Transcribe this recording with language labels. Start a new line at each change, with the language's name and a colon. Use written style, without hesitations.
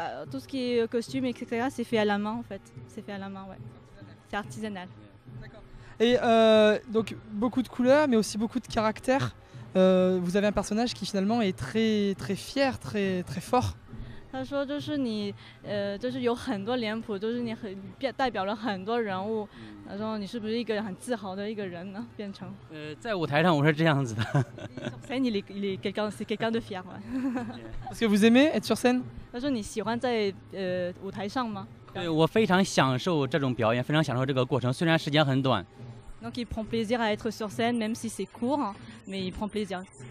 French: tout ce qui est costume etc. c'est fait à la main en fait, c'est fait à la main, ouais. C'est artisanal. D'accord. Et donc beaucoup de couleurs, mais aussi beaucoup de caractères. Vous avez un personnage qui finalement est très très fier, très très fort.
Chinese: 他说就是你，就是有很多脸谱，就是你很变代表了很多人物。他说你是不是一个很自豪的一个人呢？变成在舞台上我是这样子的。
French: Sur scène, il est quelqu'un, c'est quelqu'un de fier. Est-ce que vous aimez être sur scène?
Chinese: 他说你喜欢在舞台上吗？对，我非常享受这种表演，非常享受这个过程，虽然时间很短。
French: Donc il prend plaisir à être sur scène, même si c'est court, mais il prend plaisir.